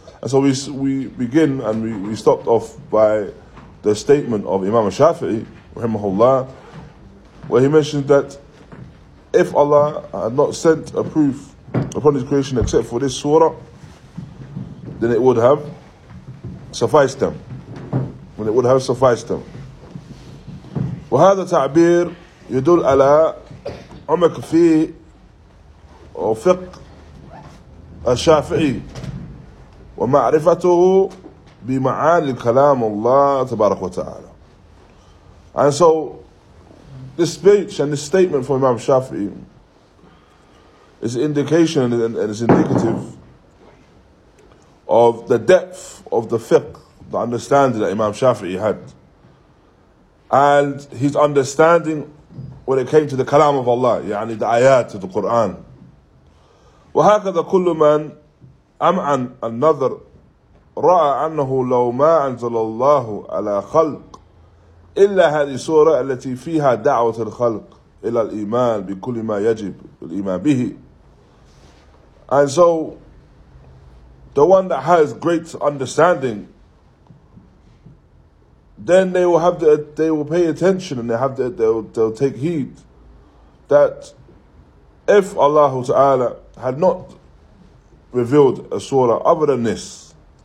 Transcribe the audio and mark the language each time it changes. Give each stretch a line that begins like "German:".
English: And so we begin and we stopped off by the statement of Imam Shafi'i, rahimahullah, where he mentioned that if Allah had not sent a proof upon His creation except for this surah, then it would have sufficed them. When it would have sufficed them.
Arabic: وهذا تعبير يدل على عمق في وفق الشافعي ومعرفته بمعاني كلام الله تبارك وتعالى.
English: And so, this speech and this statement from Imam Shafi'i is indication and is indicative of the depth of the fiqh, the understanding that Imam Shafi'i had, and his understanding when it came to the kalam of Allah, يعني the ayat of the Quran.
Arabic: وَهَكَذَا كُلُّ مَنْ أَمْعَنْ النَّظَرْ رَأَى أَنَّهُ لَوْ مَا أَنزَلَ اللَّهُ عَلَى خَلْقٍ إلا هذه سورة التي فيها دعوة الخلق إلى الإيمان بكل ما يجب الإيمان به.
English: And so, the one that has great understanding, then they will pay attention and they'll take heed that if Allah Ta'ala had not revealed a surah other than this.